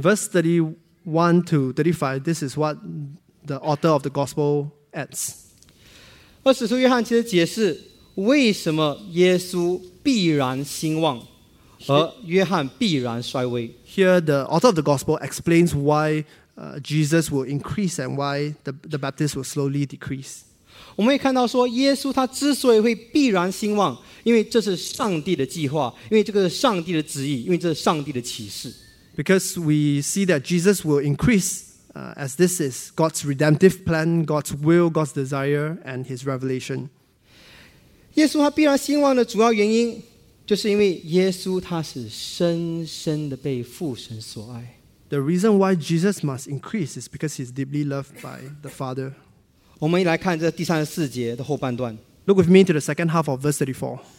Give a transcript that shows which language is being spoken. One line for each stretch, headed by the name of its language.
English: verse 31 to 35, this is what the author of the gospel adds.
Chinese: 而使徒约翰其实解释为什么耶稣必然兴旺，而约翰必然衰微。
English: Here the author of the gospel explains why Jesus will increase and why the Baptist will slowly decrease.
Chinese: 我们也看到说，耶稣他之所以会必然兴旺，因为这是上帝的计划，因为这个是上帝的旨意，因为这是上帝的启示。
English: Because we see that Jesus will increase, as this is God's redemptive plan, God's will, God's desire, and His revelation.
Chinese: 耶稣他必然兴旺的主要原因，就是因为耶稣他是深深的被父神所爱。
English: The reason why Jesus must increase is because He's deeply loved by the Father.
Chinese: 我们来看这第34节的后半段。
English: Look with me to the second half of verse 34.